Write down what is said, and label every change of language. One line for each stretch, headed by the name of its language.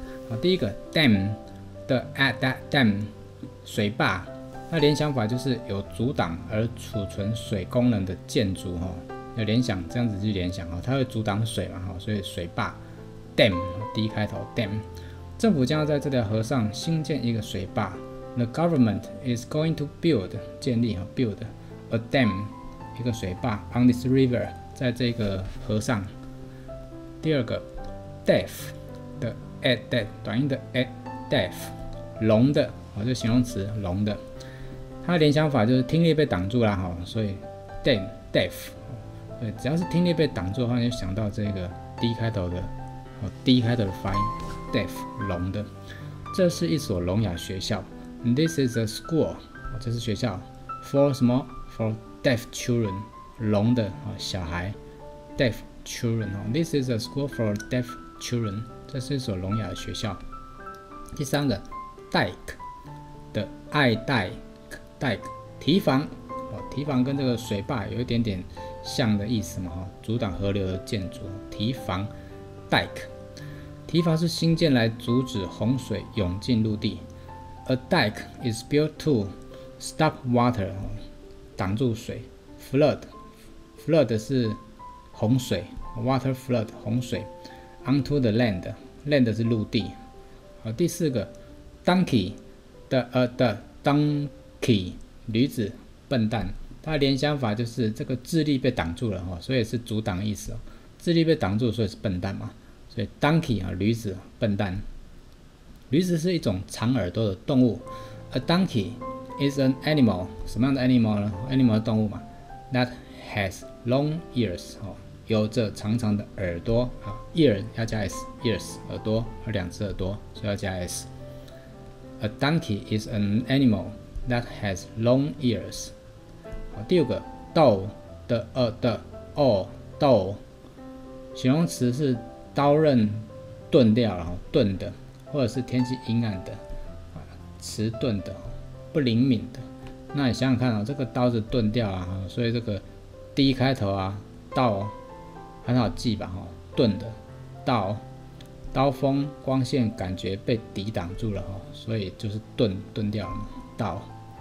Chinese: 好，第一个 dam 的 at that dam 水坝，那联想法就是有阻挡而储存水功能的建筑哦。有联想，这样子去联想哦，它会阻挡水嘛，所以水坝 dam D 开头 dam。政府将要在这条河上新建一个水坝。
English: The government is going to build
Chinese: 建立和
English: build a dam
Chinese: 一个水坝
English: on this river
Chinese: 在这个河上。第二个 deaf 的 at that 短音的 at deaf 聋的，就形容词聋的，它的联想法就是听力被挡住了，所以 dam deaf， 对，只要是听力被挡住的话，就想到这个 D 开头的 D 开头的发音。 Deaf 聋的，这是一所聋哑学校。
English: This is a school，
Chinese: 这是学校。
English: For
Chinese: 什么
English: ？For deaf children，
Chinese: 聋的小孩。
English: Deaf children， This is a school for deaf children，
Chinese: 这是一所聋哑学校。第三个 ，dike 的 I dike dike 堤防，堤防跟这个水坝有一点点像的意思嘛，阻挡河流的建筑，堤防 dike。堤防是新建来阻止洪水涌进陆地。
English: A dike is built to stop water，
Chinese: 挡住水。 Flood 是洪水 ，
English: water flood
Chinese: 洪水。
English: Onto the land
Chinese: 是陆地。好，第四个 ，donkey 的的 donkey 驴子笨蛋，它的联想法就是这个智力被挡住了，所以是阻挡意思，智力被挡住，所以是笨蛋嘛。所以 donkey 驴子笨蛋，驴子是一种长耳朵的动物。
English: A donkey is an animal，
Chinese: 什么样的
English: animal
Chinese: 呢？ animal 的动物嘛。
English: That has long ears，
Chinese: 有着长长的耳朵。 ear 要加 s， ears 耳朵，有两只耳朵，所以要加 s。
English: A donkey is an animal that has long ears。
Chinese: 好，第五个 ，dull 的的 all dull， 形容词是。刀刃钝掉了，钝的，或者是天气阴暗的，迟钝的，不灵敏的。那你想想看，这个刀子钝掉了，所以这个 D 开头啊，刀很好记吧，钝的，刀，刀锋光线感觉被抵挡住了，所以就是钝掉了，刀。